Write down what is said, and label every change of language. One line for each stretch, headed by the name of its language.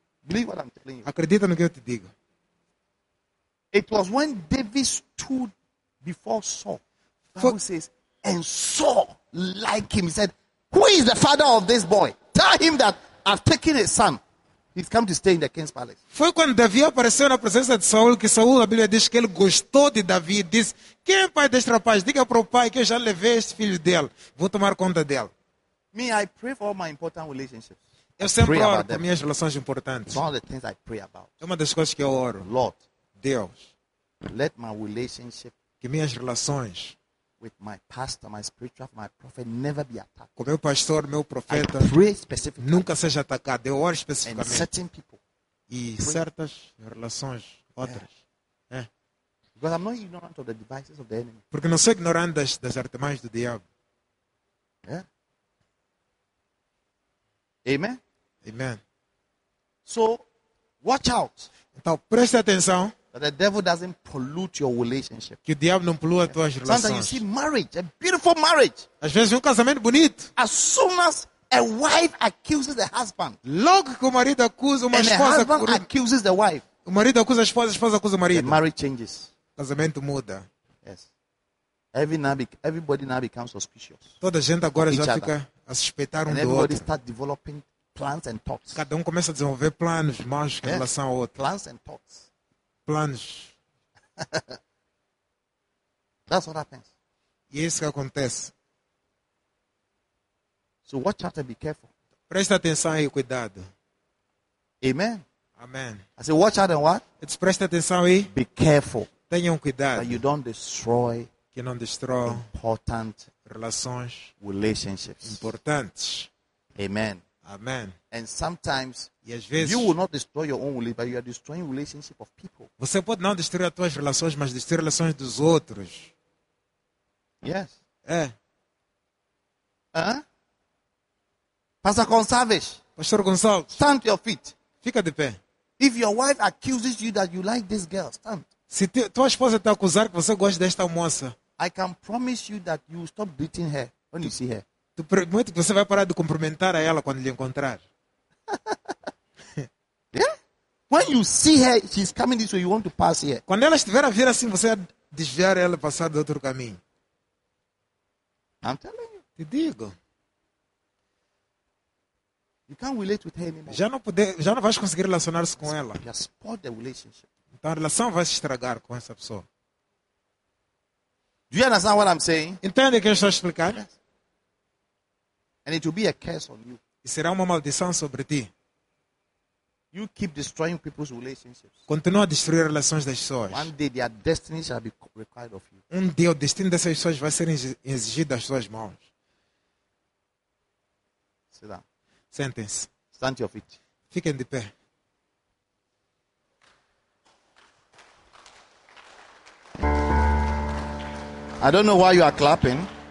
English: Believe what I'm telling you.
Portuguese: Acredita no que eu te digo.
English: It was when David stood before Saul. Bible says, and Saul liked him. He said, who is the father of this boy? Tell him that I've taken his son. He's come to stay in the king's palace.
Portuguese: Foi quando Davi apareceu na presença de Saul que Saul, a Bíblia diz que ele gostou de Davi. Diz, quem é o pai deste rapaz? Diga para o pai que eu já levei este filho dele. Vou tomar conta dele.
English: Me, I pray for all my important relationships.
Portuguese: Eu sempre oro para as minhas relações importantes.
English: One of the things I pray about.
Portuguese: É uma das coisas que eu oro.
English: Lord,
Portuguese: Deus,
English: let my relationship
Portuguese: que minhas relações
English: with my pastor, my spiritual, my prophet, never be attacked.
Portuguese: Com meu pastor, meu profeta, nunca seja atacado. Eu oro especificamente.
English: And certain people,
Portuguese: e pray. Certas relações, outras. É.
English: Because I'm not ignorant of the devices of the enemy.
Portuguese: Porque não sou ignorante das artimanhas do diabo.
English: Yeah. Amen. Amen. So, watch out.
Portuguese: Então, preste atenção.
English: The devil doesn't pollute your relationship.
Portuguese: Que o diabo não polua as tuas relações.
English: Sometimes you see marriage, a beautiful marriage.
Portuguese: Às vezes um casamento bonito.
English: As soon as a wife accuses the husband.
Portuguese: Logo que o marido acusa uma esposa.
English: And the husband accuses the wife.
Portuguese: O marido acusa a esposa acusa o marido.
English: The marriage changes.
Portuguese: Casamento muda.
English: Yes. Everybody now becomes suspicious.
Portuguese: Toda a gente agora já fica a suspeitar um do outro.
English: And everybody starts developing plans and thoughts.
Portuguese: Cada começa a desenvolver planos mais em relação ao outro.
English: Plans and thoughts.
Portuguese: Planos.
English: That's what happens.
Portuguese: E é isso que acontece.
English: So watch out and be careful.
Portuguese: Presta atenção e cuidado. Amen. Amen.
English: I say watch out and what?
Portuguese: It's presta atenção e
English: be careful.
Portuguese: Tenham cuidado.
English: That you don't destroy
Portuguese: que não destrói
English: important
Portuguese: relações,
English: relationships
Portuguese: importantes. Amen. Amen.
English: And sometimes
Portuguese: às vezes,
English: you will not destroy your own relationship, but you are destroying relationship of people.
Portuguese: Você pode não destruir as tuas relações, mas destruir as relações dos outros.
English: Yes.
Portuguese: É.
English: Huh? Pastor Gonçalves.
Portuguese: Pastor Gonçalves.
English: Stand to your feet.
Portuguese: Fica de pé.
English: If your wife accuses you that you like this girl, stand.
Portuguese: Se tua esposa te acusar que você gosta desta moça,
English: I can promise you that you will stop beating her when you see her.
Portuguese: Tu prometo que você vai parar de cumprimentar a ela quando lhe encontrar.
English: Yeah? When you see her, she's coming this way, you want to pass here.
Portuguese: Quando ela estiver a vir assim, você vai desviar ela e passar de outro caminho.
English: I'm telling you.
Portuguese: Te digo.
English: You can't relate with her anymore.
Portuguese: Já não vais conseguir relacionar-se com ela.
English: You have spoiled the relationship.
Portuguese: Então a relação vai se estragar com essa pessoa.
English: Do you understand what I'm saying?
Portuguese: Entende o que eu estou a explicar?
English: Yes. And it will be a curse on you.
Portuguese: E será uma maldição sobre ti.
English: You keep destroying people's relationships.
Portuguese: Continua a destruir relações das pessoas.
English: One day their destiny shall be required of you.
Portuguese: Um dia o destino dessas pessoas vai ser exigido das suas mãos.
English: Sit down. Sentence. Stand to your feet.
Portuguese: Fiquem de pé.
English: I don't know why you are clapping.